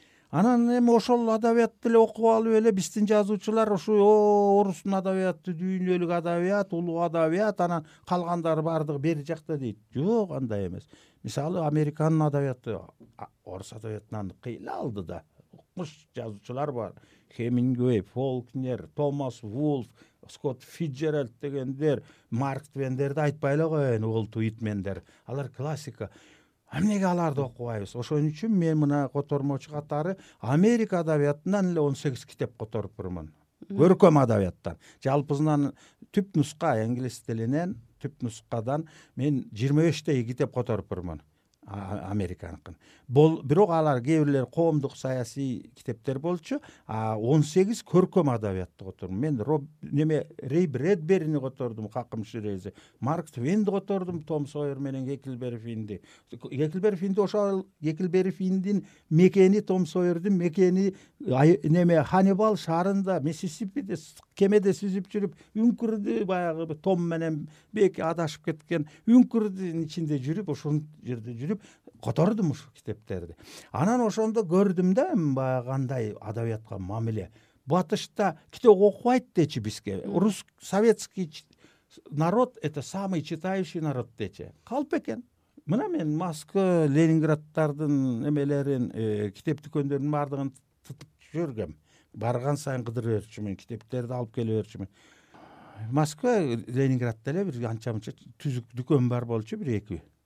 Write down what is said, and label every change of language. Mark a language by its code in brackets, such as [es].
[ky] Анан эми ошол адабиятты эле окуп алып эле биздин жазуучулар ушу орустун адабияты, дүйнөлүк адабият, улуу адабият, анан калгандары бардыгы бери жакта дейт. Жок, андай эмес. Мисалы американын адабияты орус адабиятынан кыйла алды да. Укмуш жазуучулар бар. Хемингуэй, Фолкнер, Томас Вулф, Скотт Фицджеральд дегендер, Марк Твендерди айтпай эле коеюн, Уолт Уитмендер. Алар классика. Эмнеге аларды окубайбыз? Ошон үчүн мен мына котормочу катары Америка адабиятынан эле 18 китеп которупмун. Көркөм адабияттан. Жалпысынан түп нуска англис тилинен, түп нускадан мен 25 китеп которупмун. Американкын. Бул бирок алар кээ бирлер коомдук саясий китептер болчу, а 18 көркөм адабиятты котордум. Мен Рэй Брэдберини котордум, Какым Ширези. Марк Твенди котордум, Том Сойер менен Гекльберри Финди. Гекльберри Финди ошол Гекльберри Финдин мекени, Том Сойердин мекени Ханнибал шаарында Миссисипиде кемеде сүзүп жүрүп, үңкүрдү баягы Том менен Беки адашып кеткен үңкүрдүн ичинде жүрүп, ошол жерде жүрүп котордум ушул китептерди. Анан ошондо көрдүм да эми баягы кандай адабиятка мамиле. Батышта китеп окубайт дечи бизге. [ru] Рус советский народ это самый читающий народ [ky] дечи. Калп экен. Мына мен Москва, Ленинградтардын эмелерин, китеп дүкөндөрүнүн бардыгын тытып жүргөм. Барган сайын кыдырып берчүмүн, китептерди алып келе берчүмүн. Москва, Ленинградда эле бир анча-мынча түзүк дүкөн бар болчу, бир эки.